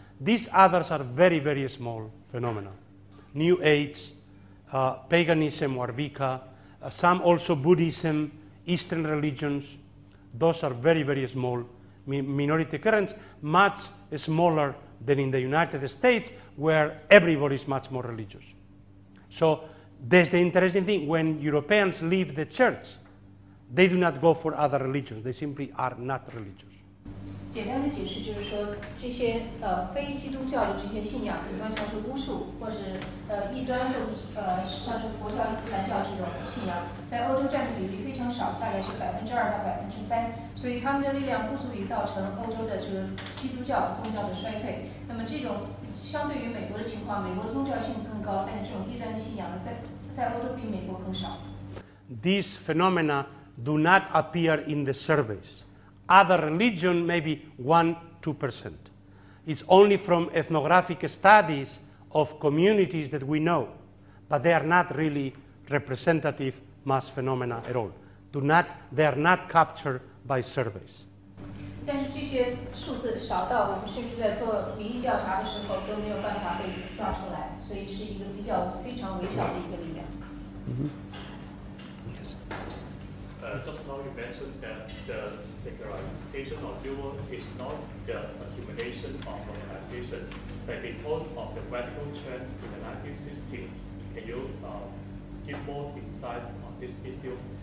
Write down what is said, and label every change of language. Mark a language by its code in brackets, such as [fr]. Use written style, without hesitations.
[en] These others are very, very small phenomena. New Age, paganism or Vika, some also Buddhism, Eastern religions,Those are very, very small minority currents, much smaller than in the United States, where everybody is much more religious. So there's the interesting thing. When Europeans leave the church, they do not go for other religions. They simply are not religious. [zh] 简单的解释就是说，这些非基督教的这些信仰，比方像是巫术，或是异端，就像是佛教、伊斯兰教这种信仰，在欧洲占的比例非常少，大概是2%到3%，所以他们的力量不足以造成欧洲的这个基督教宗教的衰退。那么这种相对于美国的情况，美国宗教性更高，但是这种异端的信仰呢，在欧洲比美国更少。 [en] These phenomena do not appear in the surveys. Other religion, maybe 1-2%. It's only from ethnographic studies of communities that we know, but they are not really representative mass phenomena at all. They are not captured by surveys. [zh] 但是这些数字少到我们甚至在做民意调查的时候都没有办法被抓出来，所以是一个比较非常微小的一个力量。 [en] Just now you mentioned that the secularization of Europe is not the accumulation of organization, but because of the radical change in the 1960s. Can you give more insight on this issue?